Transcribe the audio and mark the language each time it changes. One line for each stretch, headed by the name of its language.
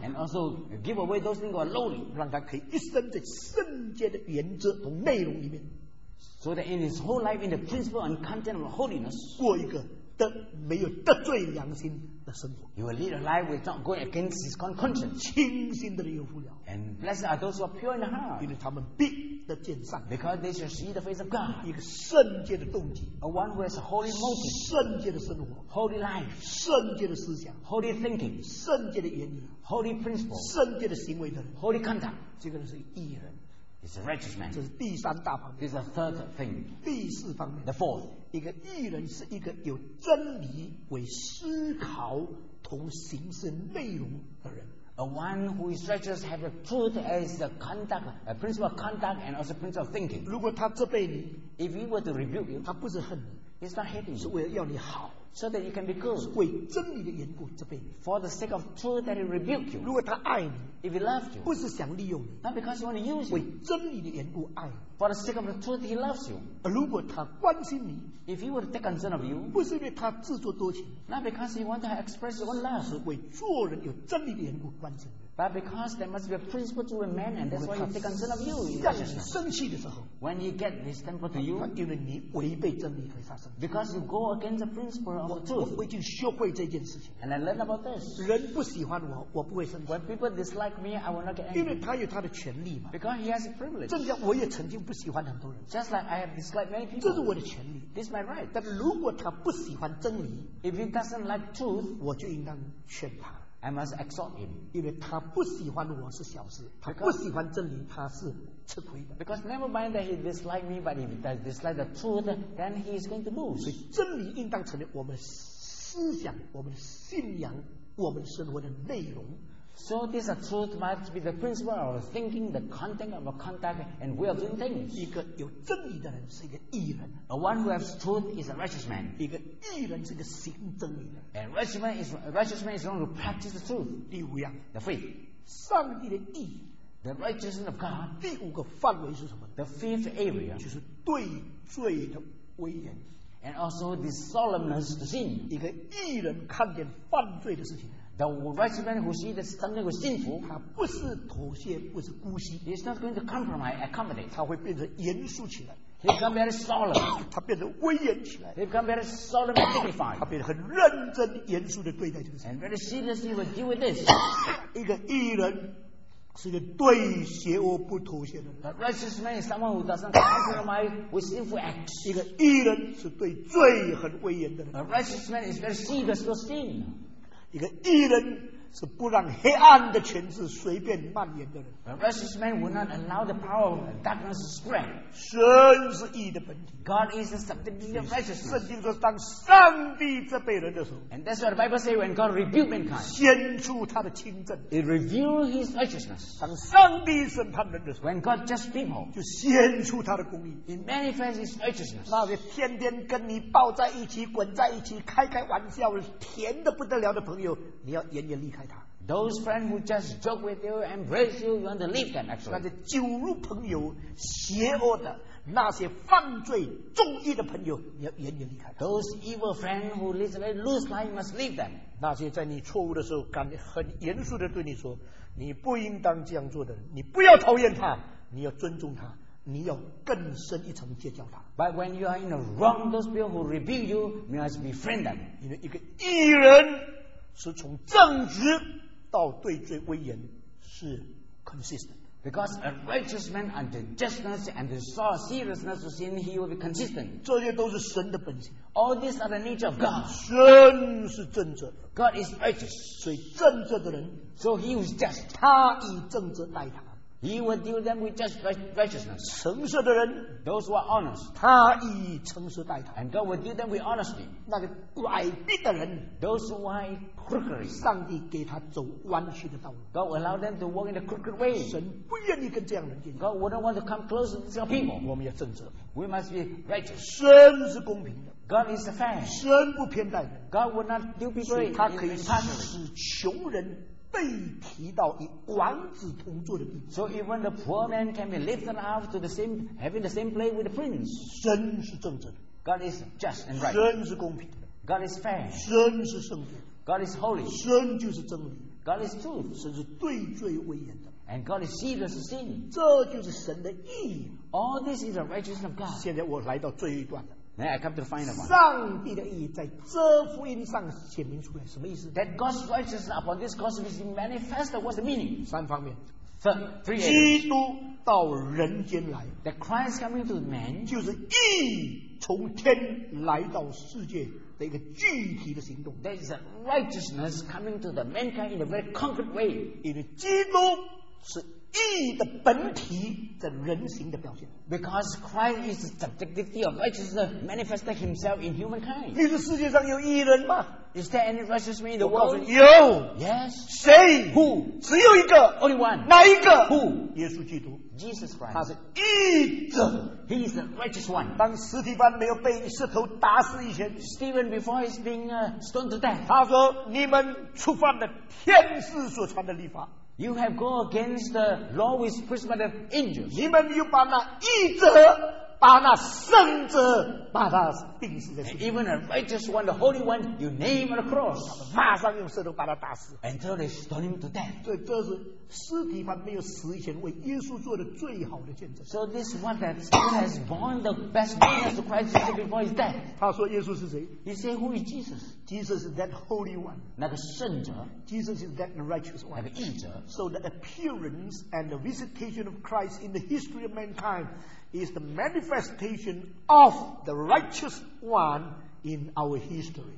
English: And also give away those things who are lowly.
Chinese: 让他可以一生在圣洁的原则和内容里面。
English: So that in his whole life, in the principle and content of holiness.
Chinese: 过一个得没有得罪良心。
English: You will lead a life without going against his conscience.
Chinese: 清心的人有福了。
English: And blessed are those who are pure in heart.
Chinese: 因为他们必得见上帝。
English: Because they shall see the face of God.
Chinese: 一个圣洁的动机。
English: A one who has a holy motive.
Chinese: 圣洁的生活。
English: Holy life.
Chinese: 圣洁的思想。
English: Holy thinking.
Chinese: 圣洁的原理。
English: Holy principle.
Chinese: 圣洁的行为的人。
English: Holy conduct.
Chinese: 这个人是义人。
English: He's a righteous man.
Chinese: 这是第三大方面。
English: This is the third thing.
Chinese: 第四方面。
English: The fourth.
Chinese: 一个义人是一个有真理为思考同行事内容的人。
English: A one who is righteous has the truth as the conduct, a principle of conduct and also principle of thinking.
Chinese: 如果他责备你
English: ，if he were to rebuke you，
Chinese: 他不是恨你
English: ，he's not hating，
Chinese: 是为了要你好
English: ，so that you can be good。
Chinese: 是为真理的缘故责备你
English: ，for the sake of truth that he rebuke you。
Chinese: 如果他爱你
English: ，if he loves you，
Chinese: 不是想利用你
English: ，not because he want to use you。
Chinese: 为真理的缘故爱你
English: ，for the sake of the truth he loves you。
Chinese: 如果他关心你。
English: If he were to take concern of you,
Chinese: 不是因为他自作多情
English: not because he wants to express his own love,
Chinese: 是为做人有真理的缘故关心
English: but because there must be a principle to a man, and that's why he take concern of you.
Chinese: 向你生气的时候
English: when he get his temper to you,
Chinese: 因为你违背真理会发生
English: because you go against the principle of truth.
Chinese: 我已经学会这件事情
English: and I learn about this.
Chinese: 人不喜欢我，我不会生气
English: when people dislike me, I will not get angry.
Chinese: 因为他有他的权利嘛
English: because he has a privilege.
Chinese: 正像我也曾经不喜欢很多人
English: just like I have disliked many people.
Chinese: 这是我的权利。
English: This is my right.
Chinese: 但如果他不喜欢真理
English: if he doesn't like truth,
Chinese: 我就应当劝他
English: I must exhort him.
Chinese: 因为他不喜欢我是小事
English: because,
Chinese: 他不喜欢真理他是吃亏的
English: Because never mind that he dislike me, but if he does dislike the truth, then he is going to lose.
Chinese: 所以真理应当成为我们思想、我们信仰、我们生活的内容
English: So this truth must be the principle of thinking, the content of our conduct, and way of doing things.
Chinese: 一个有真理的人是一个义人
English: A one who has truth is a righteous man.
Chinese: 一个义人是一个行真理的。
English: And righteous man is one who practices the truth.
Chinese: 第五样
English: the faith.
Chinese: 上帝的义
English: the righteousness of God.
Chinese: 第五个范围是什么
English: the fifth area.
Chinese: 就是对罪的威严。
English: And also the solemnness of sin.
Chinese: 一个义人看见犯罪的事情。
English: The righteous man who sees that something was sinful,
Chinese: 他不是妥协，不是姑息。
English: He's not going to compromise, accommodate.
Chinese: 他会变成严肃起来。
English: He become very solemn.
Chinese: 他变成威严起来。
English: He become very solemn and dignified.
Chinese: 他变得很认真严肃地对待这个事。
English: And very seriously will deal with this.
Chinese: 一个义人是一个对邪恶不妥协的人。
English: A righteous man is someone who doesn't compromise with sinful acts.
Chinese: 一个义人是对罪很威严的人。
English: A righteous man is very serious for sin.
Chinese: 一个义人是不让黑暗的权势随便蔓延的人。
English: A righteous man will not allow the power of darkness to spread.
Chinese: 神是义的本体。
English: God is the subject of righteousness.
Chinese: 圣经说，当上帝责备人的时候
English: ，And that's what the Bible says when God rebukes mankind.
Chinese: 显出他的清正。
English: It reveals His righteousness.
Chinese: 当上帝审判人的时候
English: ，When God judges people,
Chinese: 就显出他的公义。
English: It manifests His righteousness.
Chinese: 那些天天跟你抱在一起、滚在一起、开开玩笑、甜的不得了的朋友，你要严严厉开他。
English: Those friends who just joke with you, embrace you, you want to leave them actually.
Chinese: 那些酒肉朋友、邪恶的、那些犯罪、重义的朋友，你要严严厉开他。
English: Those evil friends who live a very loose life, you must leave them.
Chinese: 那些在你错误的时候，敢很严肃的对你说，你不应当这样做的人，你不要讨厌他，你要尊重他。你要更深一层结交他。
English: But when you are in the wrong, those people who rebuke you, you must befriend them.
Chinese: 因为一个义人是从正直到对罪威严是 consistent.
English: Because a righteous man unto justness and the soul seriousness of sin, he will be consistent.
Chinese: 这些都是神的本性。
English: All these are the nature of God.
Chinese: 神是正直的。
English: God is righteous.
Chinese: 所以正直的人
English: ，so he is just.
Chinese: 他以正直待他。
English: He will deal them with just righteousness.
Chinese: 诚实的人
English: ，those who are honest，
Chinese: 他以诚实待他。
English: And God will deal them with honesty.
Chinese: 那个拐弯的人
English: ，those who are crooked，
Chinese: 上帝给他走弯曲的道路。
English: God will allow them to walk in the crooked way.
Chinese: 神不愿意跟这样人接近。
English: God wouldn't want to come close to these people.
Chinese: 我们要正直。
English: We must be righteous.
Chinese: 神是公平的。
English: God is fair.
Chinese: 神不偏待人。
English: God will not do people wrong.
Chinese: 他可以使穷人。被提到与王子同坐的地方
English: ，so even the poor man can be lifted up to the same having the same place with the prince.
Chinese: 神是正直的
English: ，God is just and right.
Chinese: 神是公平的
English: ，God is fair.
Chinese: 神是圣洁
English: ，God is holy.
Chinese: 神就是真理
English: ，God is truth.
Chinese: 神是对罪威严的
English: ，and God is serious sin.
Chinese: 这就是神的义。
English: All this is the righteousness of God.
Chinese: 现在我来到最后一段了。
English: Then I come to find one.
Chinese: 上帝的义在这福音上显明出来，什么意思
English: ？That God's righteousness upon this gospel is manifested. What's the meaning?
Chinese: 三方面。
English: Three.
Chinese: 基督到人间来。
English: That Christ coming to man.
Chinese: 就是义从天来到世界的一个具体的行动。
English: That is a righteousness coming to the mankind in a very concrete way.
Chinese: 因为基督是。义的本体的人形的表现
English: ，because Christ is the subjectivity of righteousness manifested himself in humankind。
Chinese: 你说世界上有义人吗
English: ？Is there any righteous man in the world？
Chinese: 有
English: ，Yes。
Chinese: 谁
English: ？Who？
Chinese: 只有一个
English: ，Only one。
Chinese: 哪一个
English: ？Who？
Chinese: 耶稣基督
English: ，Jesus Christ。
Chinese: 他是义者
English: ，He is the righteous one。
Chinese: 当斯提凡没有被石头打死以前
English: ，Stephen before he's being stoned to death，
Chinese: 他说：“你们触犯了天使所传的律法。”
English: You have gone against the law with prismatic angels.
Chinese: 你们又把那义者，把那圣者，把他钉死在。
English: Even a righteous one, the holy one, you nail on the cross.
Chinese: 马上用石头把他打死。
English: Until they stone him to death.
Chinese: 对，这是尸体还没有死以前为耶稣做的最好的见证。
English: So this one that Stephen has borne the best witness to Christ Jesus before his death.
Chinese: 他说耶稣是谁
English: ？He said who is Jesus? Jesus is that holy one.
Chinese: 那个圣者。
English: Jesus is that righteous one.
Chinese: 那个义者。
English: So the appearance and the visitation of Christ in the history of mankind is the manifestation of the righteous one in our history.